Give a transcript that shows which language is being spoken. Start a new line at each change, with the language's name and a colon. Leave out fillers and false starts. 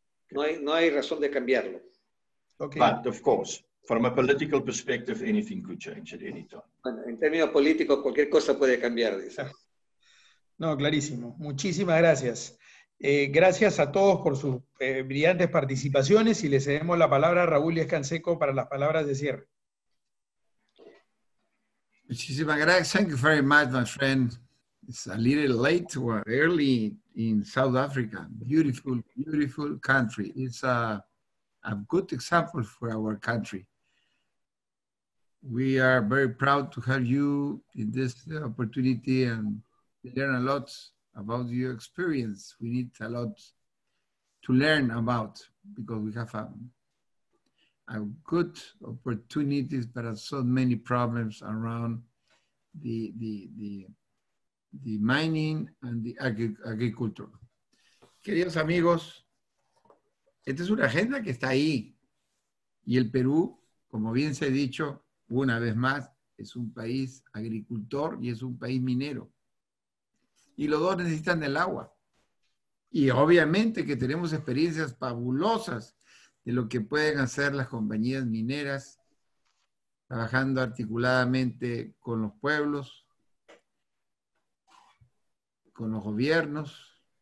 Spanish: No hay razón de cambiarlo.
English: Okay. But of course, from a political perspective, anything could change at any time.
Spanish: Bueno, en términos políticos, cualquier cosa puede cambiar. ¿Sabes? No, clarísimo. Muchísimas gracias. Gracias a todos por sus brillantes participaciones y le cedemos la palabra a Raúl Escanseco para las palabras de cierre. Muchísimas gracias.
English: Thank you very much, my friend. It's a little late or early in South Africa. Beautiful, beautiful country. It's a good example for our country. We are very proud to have you in this opportunity and learn a lot about your experience. We need a lot to learn about because we have a good opportunities, but so many problems around the mining and the agriculture.
Spanish: Queridos amigos, esta es una agenda que está ahí. Y el Perú, como bien se ha dicho una vez más, es un país agricultor y es un país minero. Y los dos necesitan el agua. Y obviamente que tenemos experiencias fabulosas de lo que pueden hacer las compañías mineras trabajando articuladamente con los pueblos, con los gobiernos.